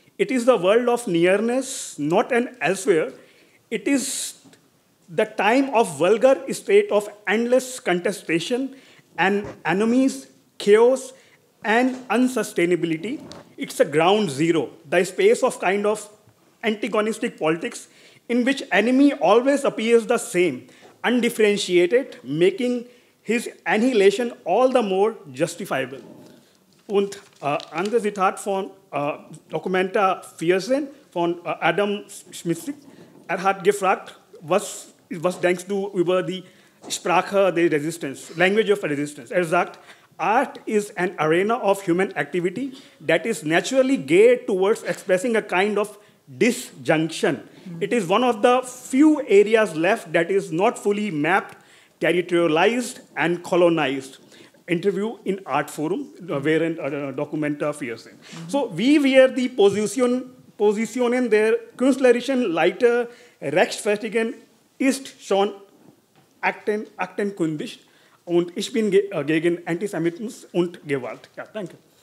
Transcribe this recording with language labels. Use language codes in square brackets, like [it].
[en] It is the world of nearness, not an elsewhere. It is the time of vulgar state of endless contestation and enemies, chaos, and unsustainability. It's a ground zero, the space of kind of antagonistic politics in which enemy always appears the same, undifferentiated, making his annihilation all the more justifiable. [de] Und andere Zitat von Dokumenta 14 von Adam Smith. Hat gefragt, was denkst du über die Sprache der Resistance, [en] Language of Resistance. Sagt, Art is an arena of human activity that is naturally geared towards expressing a kind of disjunction. It is one of the few areas left that is not fully mapped, territorialized, and colonized. Interview in Art Forum, where in Dokumenta 14. [de] So, wie wir die Positionen der künstlerischen Leiter rechtfertigen, ist schon aktenkundig und ich bin gegen Antisemitismus und Gewalt. Ja, danke.